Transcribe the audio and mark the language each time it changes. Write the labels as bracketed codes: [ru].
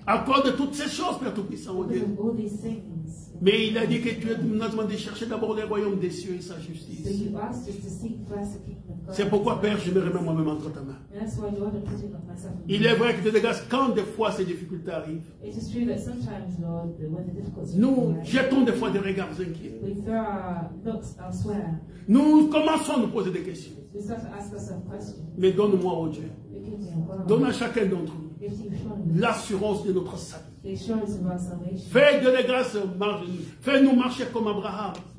[fr] À cause de toutes ces choses, Père Tout-Puissant, Dieu. Mais il a dit que tu nous as demandé de chercher d'abord le royaume des cieux et sa justice. [en] So you asked us to seek first the kingdom of God. [fr] C'est pourquoi, Père, je me remets moi-même entre ta main. [en] That's why you want to put it on myself. [fr] Il est vrai que tu dégages quand des fois ces difficultés arrivent. [en] It is true that sometimes, Lord, when the difficulties [fr] nous arrive, jetons des fois des regards inquiets. [en] We throw our looks elsewhere. [fr] Nous commençons à nous poser des questions. [en] We start to ask ourselves questions. [fr] Mais donne-moi, oh Dieu, donne à chacun d'entre nous l'assurance de notre salut. Fais de la grâce, fais-nous marcher comme Abraham.